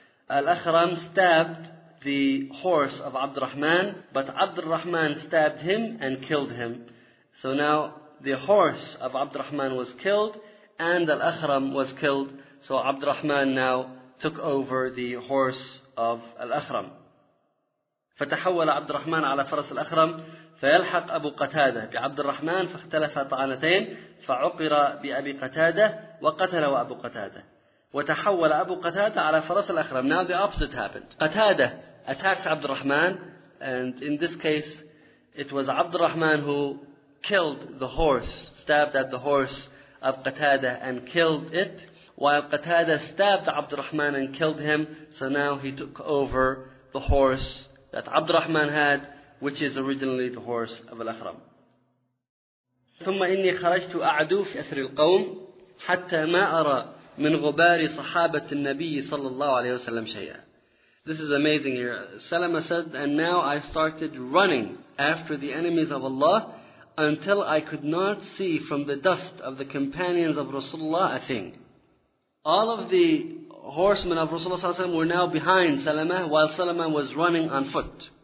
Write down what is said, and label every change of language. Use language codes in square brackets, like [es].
[en] Al-Akram stabbed the horse of Abd Rahman, but Abd Rahman stabbed him and killed him. So now the horse of Abd Rahman was killed, and Al-Akram was killed. So Abd Rahman now took over the horse of Al-Akram. [ar] فتحول عبد الرحمن على فرس الأخرم فيلحق أبو قتادة بعبد الرحمن فاختلف طعنتين فعقر بأبي قتادة وقتل أبو قتادة وتحول أبو قتادة على فرس الأخرم. [en] Now the opposite happened. قتادة attacked عبد الرحمن, and in this case it was عبد الرحمن who killed the horse, stabbed at the horse of قتادة and killed it, while قتادة stabbed عبد الرحمن and killed him. So now he took over the horse that Abd Rahman had, which is originally the horse of Al-Akram. [ar] ثم إني خرجت أعدو في أثر القوم حتى ما أرى من غبار صحابة النبي صلى الله عليه وسلم شيئا. [en] This is amazing here. Salama said, and now I started running after the enemies of Allah until I could not see from the dust of the companions of Rasulullah a thing. All of the horsemen of Rasulullah ﷺ were now behind Salama, while Salama was running on foot.